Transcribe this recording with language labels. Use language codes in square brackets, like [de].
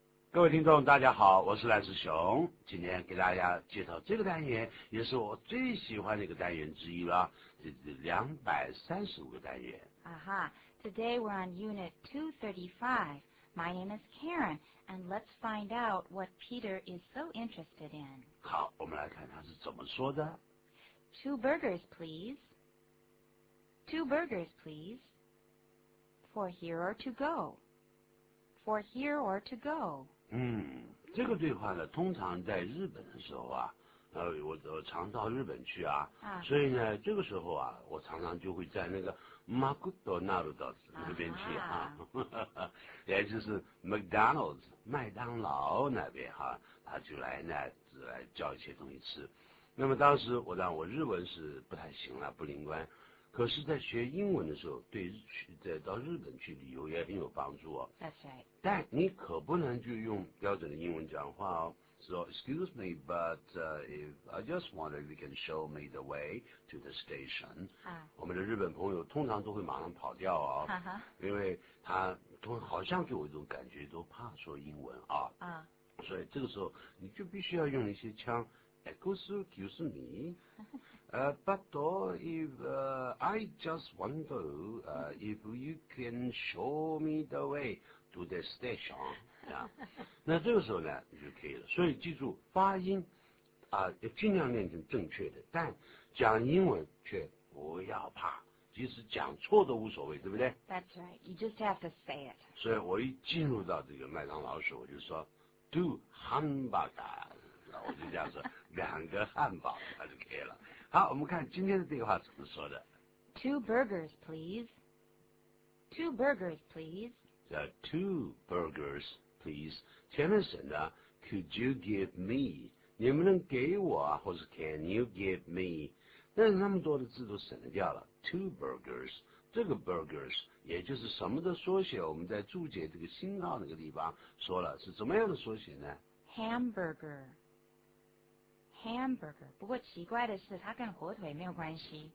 [zh] 各位听众，大家好，我是赖世雄。今天给大家介绍这个单元，也是我最喜欢的一个单元之一了，这是235个单元。 [en] Today we're on Unit 235. My name is Karen, and let's find out what Peter is so interested in. [zh] 好，我们来看他是怎么说的。 [en] Two burgers, please. Two burgers, please. For here or to go. For here or to go. [zh] 这个对话呢，通常在日本的时候啊，我常到日本去啊，所以呢，这个时候啊，我常常就会在那个 McDonald's 那边去啊，也就是 McDonald's 麦当劳那边哈、他就来呢，来叫一些东西吃。那么当时我日文是不太行了，不灵光，可是，在学英文的时候，对到日本去旅游也很有帮助哦。 [en] That's right. [zh] 但你可不能就用标准的英文讲话哦。 [en] So excuse me, but if I just wonder if you can show me the way to the station. [zh] 我们的日本朋友通常都会马上跑掉哦。因为他好像给我一种感觉，都怕说英文啊。所以这个时候你就必须要用一些腔。 [en] Excuse me, but I just wonder if you can show me the way to the station. [zh] 那这个时候呢，你就可以了。所以记住发音啊，尽量练成正确的，但讲英文却不要怕，即使讲错都无所谓，对不对 [en] ？That's right. You just have to say it. [zh] 所以我一进入到这个麦当劳时，我就说 ， [en] Two hamburgers. [zh] 我就这样说，两个汉堡它就可以了。好，我们看今天的对话怎么说的。 [en] Two burgers, please. Two burgers, please. The two burgers, please. [zh] 前面省的 ， [en] Could you give me？ [zh] 你们能给我，或是 [en] Can you give me？ [zh] 但是那么多的字都省掉了。 [en] Two burgers， [zh] 这个 burgers 也就是什么的缩写？我们在注解这个星号那个地方说了是怎么样的缩写呢 [en] ？Hamburger。 [zh] Hamburger， 不过奇怪的是，它跟火腿没有关系。